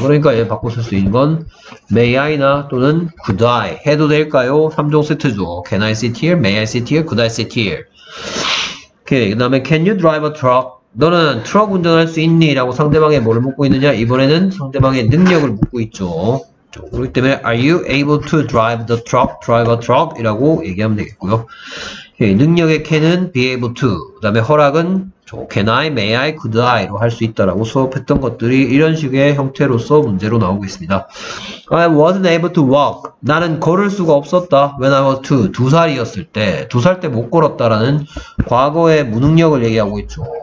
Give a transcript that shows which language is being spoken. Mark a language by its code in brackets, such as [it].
[ko] 그러니까 얘 바꿔 쓸수 있는 건 [en] may I [ko] 나 또는 [en] could I [ko] 해도 될까요? 3종 세트죠. [en] Can I sit here? May I sit here? Could I sit here? 오케이. 그다음에 Can you drive a truck? [ko] 너는 트럭 운전할 수 있니? 라고 상대방에 뭐를 묻고 있느냐? 이번에는 상대방의 능력을 묻고 있죠. 그렇기 때문에 [en] Are you able to drive the truck? Drive a truck? [ko] 이라고 얘기하면 되겠고요. 예, 능력의 can은 be able to, 그 다음에 허락은 [en] can I, may I, could I [ko] 로 할수 있다라고 수업했던 것들이 이런 식의 형태로서 문제로 나오고 있습니다. [en] I wasn't able to walk. [ko] 나는 걸을 수가 없었다. [en] When I was [ko] 두 살이었을 때, 두살때못 걸었다라는 과거의 무능력을 얘기하고 있죠.